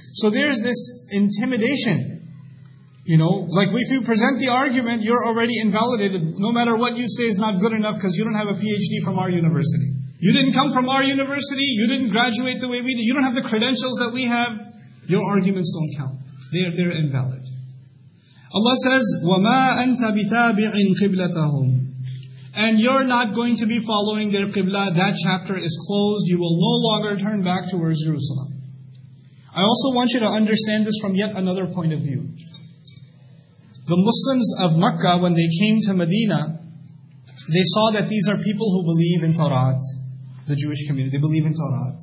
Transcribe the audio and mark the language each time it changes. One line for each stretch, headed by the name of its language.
English: So there's this intimidation. You know, like if you present the argument, you're already invalidated. No matter what you say is not good enough because you don't have a PhD from our university. You didn't come from our university. You didn't graduate the way we did. You don't have the credentials that we have. Your arguments don't count. They're invalid. Allah says,
Arabic: وَمَا أَنْتَ بِتَابِعٍ قِبْلَتَهُمْ.
English: And you're not going to be following their qibla. That chapter is closed. You will no longer turn back towards Jerusalem. I also want you to understand this from yet another point of view. The Muslims of Mecca, when they came to Medina, they saw that these are people who believe in Torah. the Jewish community. They believe in Torah.